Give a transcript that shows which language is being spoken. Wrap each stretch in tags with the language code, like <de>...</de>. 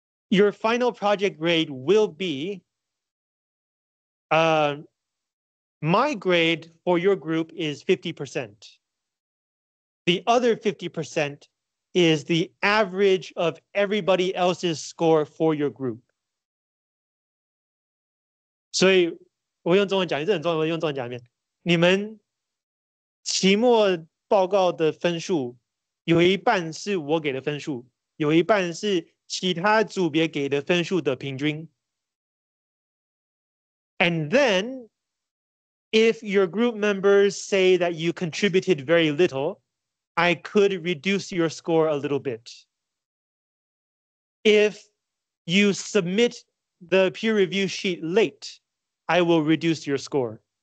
<en>Your final project grade will be my grade for your group is 50%. The other 50% is the average of everybody else's score for your group.</en> <zh>So, 我用中文讲一次，你们期末报告的分数，有一半是我给的分数，有一半是其他组别给的分数的平均。</zh> <en>And then, if your group members say that you contributed very little, I could reduce your score a little bit. If you submit the peer review sheet late, I will reduce your score.</en>